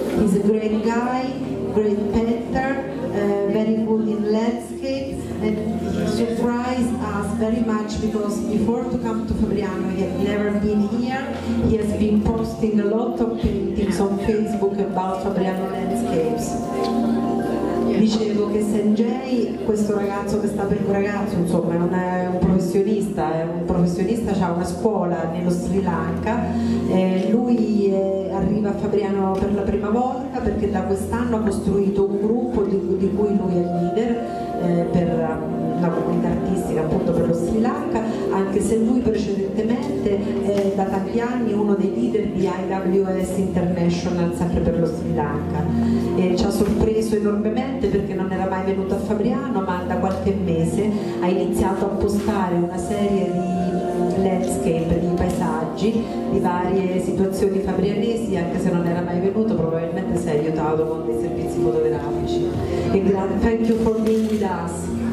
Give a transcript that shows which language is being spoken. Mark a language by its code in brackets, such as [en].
[en] He's a great guy, great painter, very good in landscape, and he surprised us very much because before to come to Fabriano he had never been here. He has been posting a lot of paintings on Facebook about Fabriano landscapes. [it] Dicevo che Sanjay, questo ragazzo che sta per un ragazzo, insomma, non è un professionista, è un professionista, ha una scuola nello Sri Lanka. Lui arriva a Fabriano per la prima volta perché da quest'anno ha costruito un gruppo di cui lui è leader, per la comunità artistica appunto per lo Sri Lanka, anche se lui precedentemente è da tanti anni uno dei leader di IWS International sempre per lo Sri Lanka. E ci ha sorpreso enormemente perché non era mai venuto a Fabriano, ma da qualche mese ha iniziato a postare una serie di landscape, di paesaggi, di varie situazioni fabrianesi, anche se non era mai venuto, probabilmente si è aiutato con dei servizi fotografici. E grazie, [en] thank you for being with us.